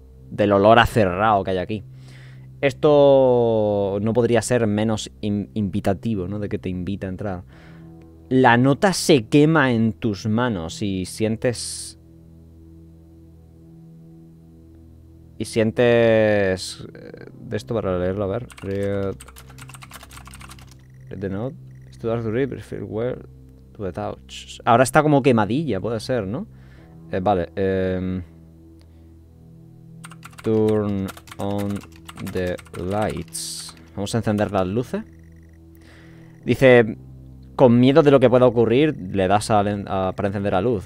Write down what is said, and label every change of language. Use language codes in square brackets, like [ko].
[es] Del olor acerrado que hay aquí. Esto no podría ser menos invitativo, ¿no? De que te invita a entrar. La nota se quema en tus manos y sientes... Y sientes... De esto para leerlo, a ver. [en] Read the note. Start to read, feel well to the touch. [es] Ahora está como quemadilla, puede ser, ¿no? Vale. [en] Turn on the lights. [es] Vamos a encender las luces. Dice, con miedo de lo que pueda ocurrir, le das para encender la luz.